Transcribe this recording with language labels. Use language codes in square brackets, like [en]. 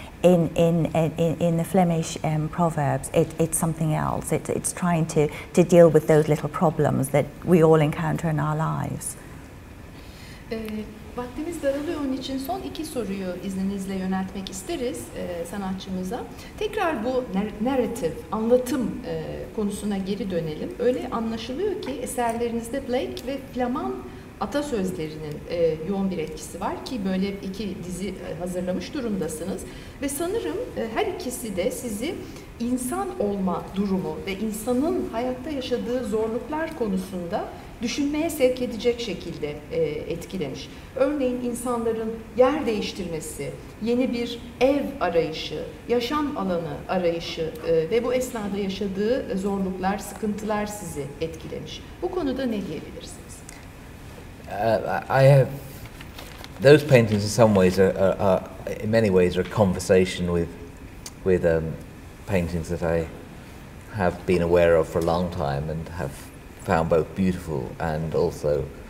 [en] In the Flemish proverbs, it's something else. It's trying to deal with those little problems that we all encounter in our lives. [tr] Vaktimiz daralıyor, onun için son iki soruyu izninizle yöneltmek isteriz sanatçımıza. Tekrar bu narrative, anlatım konusuna geri dönelim. Öyle anlaşılıyor ki eserlerinizde Blake ve Flaman atasözlerinin yoğun bir etkisi var ki böyle iki dizi hazırlamış durumdasınız. Ve sanırım her ikisi de sizi insan olma durumu ve insanın hayatta yaşadığı zorluklar konusunda düşünmeye sevk edecek şekilde etkilemiş. Örneğin insanların yer değiştirmesi, yeni bir ev arayışı, yaşam alanı arayışı ve bu esnada yaşadığı zorluklar, sıkıntılar sizi etkilemiş. Bu konuda ne diyebilirsiniz? [en] I have those paintings in some ways are in many ways are a conversation with paintings that I have been aware of for a long time and have found both beautiful and also